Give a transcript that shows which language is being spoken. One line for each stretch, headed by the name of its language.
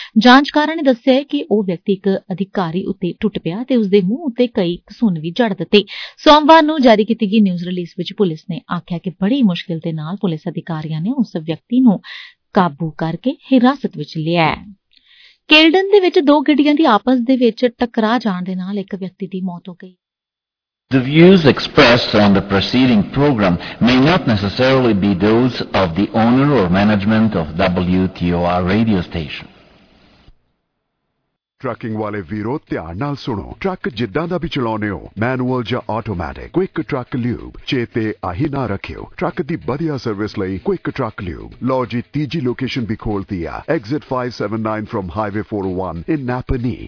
Punjabi: ਜਾਂਚਕਾਰਾਂ ਨੇ ਦੱਸਿਆ ਕਿ ਉਹ ਵਿਅਕਤੀ ਇਕ ਅਧਿਕਾਰੀ ਉਤੇ ਟੁੱਟ ਪਿਆ ਤੇ ਉਸਦੇ ਮੂੰਹ ਉਤੇ ਕਈ ਘਸੁੰਨ ਵੀ ਜੜ ਦਿੱਤੇ। ਸੋਮਵਾਰ ਨੂੰ ਜਾਰੀ ਕੀਤੀ ਗਈ ਨਿਊਜ਼ ਰਿਲੀਜ਼ ਵਿਚ ਪੁਲਿਸ ਨੇ ਆਖਿਆ ਕਿ ਬੜੀ ਮੁਸ਼ਕਿਲ ਦੇ ਨਾਲ ਪੁਲਿਸ ਅਧਿਕਾਰੀਆਂ ਨੇ ਉਸ ਵਿਅਕਤੀ ਨੂੰ ਕਾਬੂ ਕਰਕੇ ਹਿਰਾਸਤ ਵਿਚ ਲਿਆ। ਕੇਲਡਨ ਦੇ ਵਿਚ 2 ਗੱਡੀਆਂ ਦੀ ਆਪਸ ਦੇ ਵਿਚ ਟਕਰਾ ਜਾਣ ਦੇ ਨਾਲ ਇਕ ਵਿਅਕਤੀ ਦੀ ਮੌਤ ਹੋ ਗਈ।
English: The views expressed on the preceding program may not necessarily be those of the owner or management of WTOR radio station.
Punjabi: Trucking ਵਾਲੇ ਵੀਰੋ ਧਿਆਨ ਨਾਲ ਸੁਣੋ, ਟਰੱਕ ਜਿੱਦਾਂ ਦਾ ਵੀ ਚਲਾਉਂਦੇ ਹੋ, ਮੈਨੂਅਲ ਜਾਂ ਆਟੋਮੈਟਿਕ, ਕੁਇਕ ਟਰੱਕ ਲਿਊਬ ਚੇਤੇ ਆਹੀ ਨਾ ਰੱਖਿਓ। ਟਰੱਕ ਦੀ ਵਧੀਆ ਸਰਵਿਸ ਲਈ ਕੁਇਕ ਟਰੱਕ ਲਿਊਬ ਲਓ ਜੀ। 3 ਲੋਕੇਸ਼ਨ ਵੀ ਖੋਲਤੀ ਆ,
English: Exit 579 from highway 401 in Napanee.